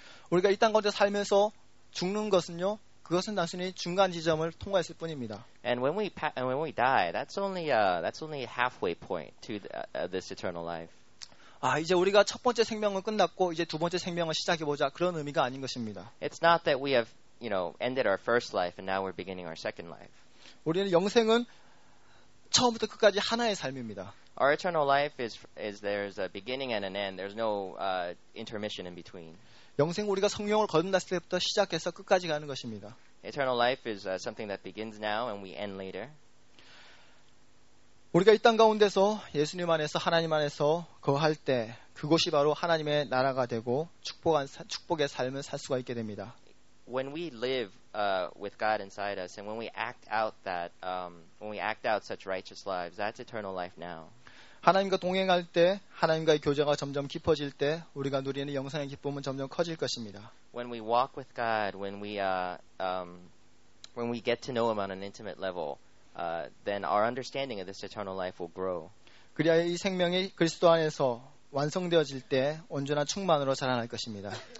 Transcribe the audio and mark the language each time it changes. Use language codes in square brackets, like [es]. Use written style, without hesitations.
[ko] 우리가 이 땅 가운데 살면서 죽는 것은요, 그것은 단순히 중간 지점을 통과했을 뿐입니다. [en] And when we die, that's only halfway point to this eternal life. [ko] 아, 이제 우리가 첫 번째 생명은 끝났고 이제 두 번째 생명을 시작해 보자 그런 의미가 아닌 것입니다. [en] It's not that we have, you know, ended our first life and now we're beginning our second life. [ko] 우리는 영생은 처음부터 끝까지 하나의 삶입니다. [en] Our eternal life is there's a beginning and an end. There's no intermission in between. [ko] 영생 우리가 성령을 거듭났을 때부터 시작해서 끝까지 가는 것입니다. [en] Eternal life is something that begins now and we end later. [ko] 우리가 이 땅 가운데서 예수님 안에서 하나님 안에서 거할 때 그곳이 바로 하나님의 나라가 되고 축복의 삶을 살 수가 있게 됩니다. [en] When we live with God inside us and when we act out that when we act out such righteous lives, that's eternal life now. [ko] 하나님과 동행할 때, 하나님과의 교제가 점점 깊어질 때, 우리가 누리는 영생의 기쁨은 점점 커질 것입니다. [en] When we walk with God, when we get to know Him on an intimate level, then our understanding of this eternal life will grow. [ko] 그리하여 이 생명이 그리스도 안에서 완성되어질 때 온전한 충만으로 자라날 것입니다.